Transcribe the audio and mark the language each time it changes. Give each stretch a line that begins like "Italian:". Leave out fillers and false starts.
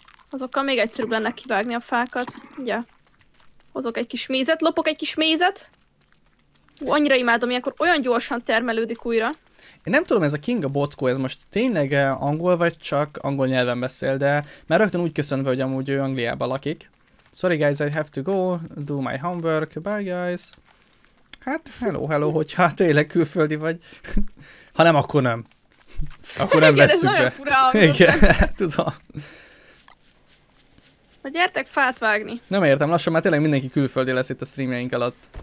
Hungarian: Azokkal még egyszerűbb lenne kivágni a fákat. Ugye. Hozok egy kis mézet, lopok egy kis mézet. Hú, annyira imádom, ilyenkor olyan gyorsan termelődik újra. Én nem tudom, ez a Kinga Bocko, ez most tényleg angol vagy csak angol nyelven beszél, de mert rögtön úgy köszönve, hogy amúgy ő Angliában lakik.
English: Sorry guys, I have to go, do my homework, bye guys.
Hungarian: Hát, hello, hello, hogyha tényleg külföldi vagy. Ha nem, akkor nem. Akkor nem vesszük be. Igen, tudom. Na gyertek fát vágni. Nem értem, lassan már tényleg mindenki külföldi lesz itt a streamjeink alatt.